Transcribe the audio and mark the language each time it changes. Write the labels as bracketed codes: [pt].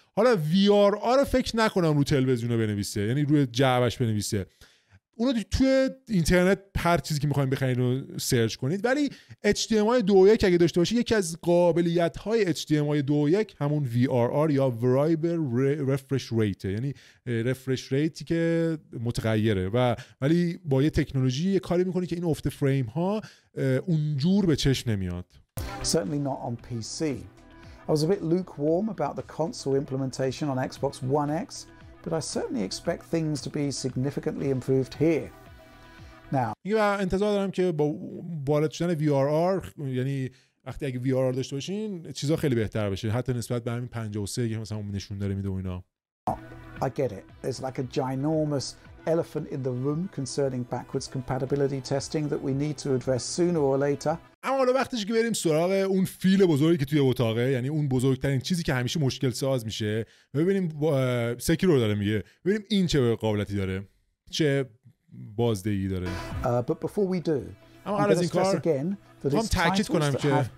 [fa] حالا VRR رو فکر نکنم رو تلویزیون رو بنویسه، یعنی روی جعبش بنویسه، اونو توی اینترنت هر چیزی که می‌خواید بخرید رو سرچ کنید، ولی HDMI 2.1 اگه داشته باشه، یکی از قابلیت‌های HDMI 2.1 همون VRR یا variable refresh rate، یعنی refresh rate که متغیره، و ولی با یه تکنولوژی یه کاری می‌کنه که این افت فریم ها اونجور به چشم نمیاد. [en] Certainly not on PC. I was a bit lukewarm about the console implementation on Xbox One X. But I certainly expect things to be significantly improved here. Now, [fa] yeah, انتظار دارم که با وارد شدن VRR، یعنی وقتی اگه VRR داشته باشین چیزا خیلی بهتر بشه، حتی نسبت به همین 53 که مثلا اون نشون داره میده و اینا. [en] I get it. It's like a ginormous elephant in the room concerning backwards compatibility testing that we need to address sooner or later. [fa] اما حالا وقتش که بریم سراغ اون فیل بزرگی که توی اتاقه، یعنی اون بزرگترین چیزی که همیشه مشکل ساز میشه، ببینیم سکیرو داره میگه، ببینیم این چه قابلیتی داره، چه بازدهی داره. [en] But before we do, [fa] اما قبل از این کار میخوام تاکید کنم که